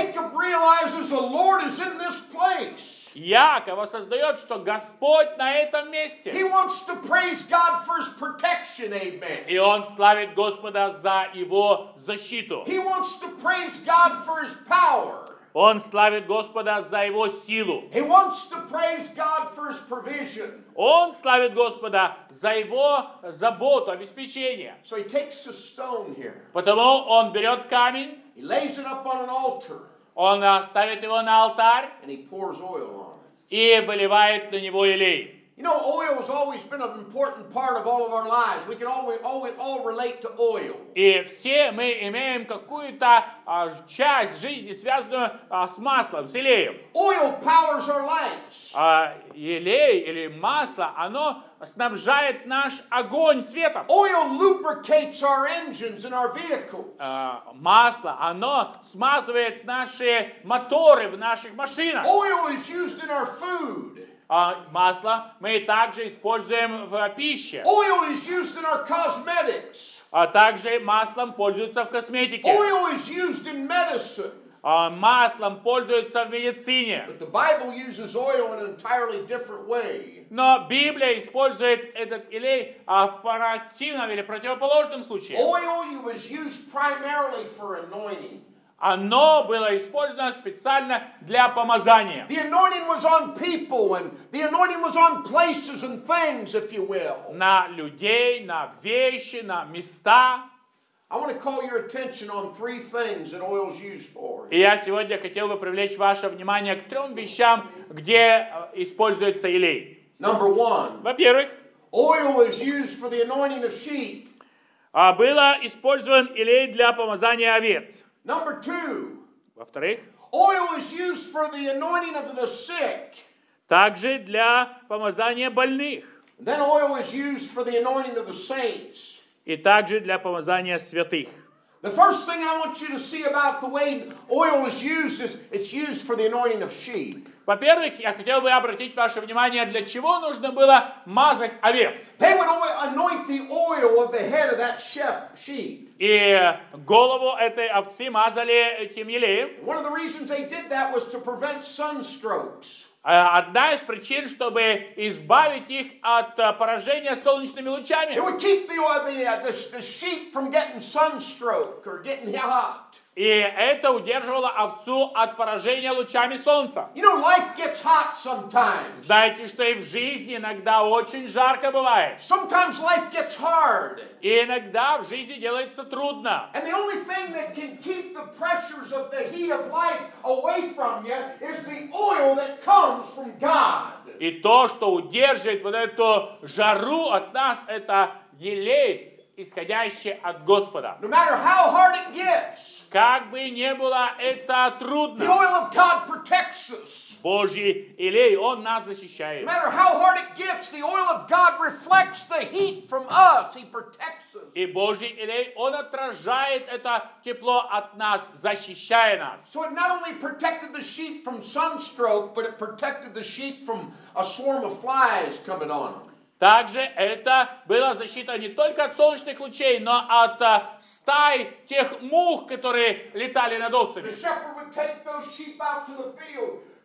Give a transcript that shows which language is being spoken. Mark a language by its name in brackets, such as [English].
[English] Jacob realizes the Lord is in this place. [Russian] Яков осознает, что Господь на этом месте. [English] He wants to praise God for his protection, amen. [Russian] И он славит Господа за его защиту. [English] He wants to praise God for his power. [Russian] Он славит Господа за его силу. [English] He wants to praise God for his provision. [Russian] Он славит Господа за его заботу, обеспечение. [English] So he takes a stone here. [Russian] Потому он берет камень. [English] He lays it up on an altar. [Russian] Он ставит его на алтарь [English] and he pours oil on [Russian] и выливает на него елей. [English] You know, oil has always been an important part of all of our lives. We can all relate to oil. [Russian] И все мы имеем какую-то часть жизни, связанную с маслом, с елеем. [English] Oil powers our lights. [Russian] Елей или масло, оно снабжает наш огонь светом. [English] Oil lubricates our engines and our vehicles. [Russian] Масло, оно смазывает наши моторы в наших машинах. [English] Oil is used in our food. [Russian] Масло мы также используем в пище. [English] Oil is used in our cosmetics. [Russian] Также маслом пользуются в косметике. [English] Oil is used in medicine. [Russian] Маслом пользуются в медицине. [English] But the Bible uses oil in an entirely different way. [Russian] Но Библия использует этот елей в противном или противоположном случае. [English] Oil was used primarily for anointing. [Russian] Оно было использовано специально для помазания. [English] The anointing was on people and the anointing was on places and things, if you will. [Russian] На людей, на вещи, на места. [English] I want to call your attention on three things that oil is used for. [Russian] И я сегодня хотел бы привлечь ваше внимание к трем вещам, где используется елей. [English] Number one. [Russian] Во-первых, [English] oil was used for the anointing of sheep. [Russian] Было использован елей для помазания овец. [English] Number two. [Russian] Во-вторых, [English] oil is used for the anointing of the sick. [Russian] Также для помазания больных. [English] Then oil is used for the anointing of the saints. [Russian] И также для помазания святых. [English] The first thing I want you to see about the way oil is used is it's used for the anointing of sheep. [Russian] Во-первых, я хотел бы обратить ваше внимание, для чего нужно было мазать овец. [English] They would anoint the oil of the head of that sheep. [Russian] И голову этой овцы мазали этим елеем. [English] One of the reasons they did that was to prevent sunstrokes. [Russian] Одна из причин, чтобы избавить их от поражения солнечными лучами. [English] It would keep the sheep from getting sunstroke or getting hot. [Russian] И это удерживало овцу от поражения лучами солнца. [English] You know, life gets hot sometimes. [Russian] Знаете, что и в жизни иногда очень жарко бывает. [English] Sometimes life gets hard. [Russian] И иногда в жизни делается трудно. [English] And the only thing that can keep the pressures of the heat of life away from you is the oil that comes from God. [Russian] И то, что удерживает вот эту жару от нас, это елей, исходящее от Господа. [English] No matter how hard it gets, [Russian] как бы не было это трудно, [English] the oil of God protects us. [Russian] Божий елей, он нас защищает. [English] No matter how hard it gets, the oil of God reflects the heat from us. He protects us. [Russian] И Божий елей, он отражает это тепло от нас, защищая нас. [English] So it not only protected the sheep from sunstroke, but it protected the sheep from a swarm of flies coming on them. [Russian] Также это была защита не только от солнечных лучей, но от стай тех мух, которые летали над овцами. [English] The shepherd would take those sheep out to the field